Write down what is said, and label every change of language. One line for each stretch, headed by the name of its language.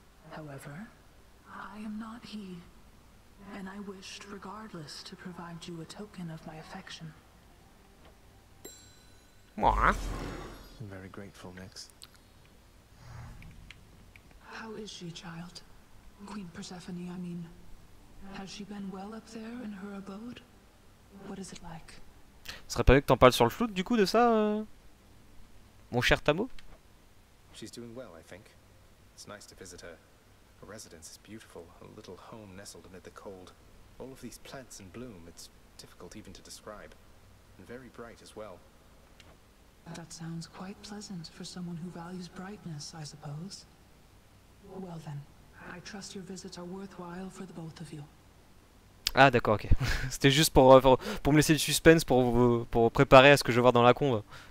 English: However, I am not he, and I wished, regardless, to provide you a token of my affection. Mwah. I'm very grateful, Nyx. How is she, child? Queen Persephone, I mean. Has she been well up there in her abode? What is it like?
French: Ce serait pas mieux que t'en parles sur le flou du coup de ça, mon cher Tamo.
English: She's doing well, I think. It's nice to visit her. Her residence is beautiful, a little home nestled amid the cold. All of these plants in bloom, it's difficult even to describe. And very bright as well. That sounds quite pleasant for someone who values brightness, I suppose. Well then, I trust your visits are worthwhile for the both of you.
French: Ah d'accord, ok. C'était juste pour me laisser du suspense, pour préparer à ce que je vais voir dans la conf.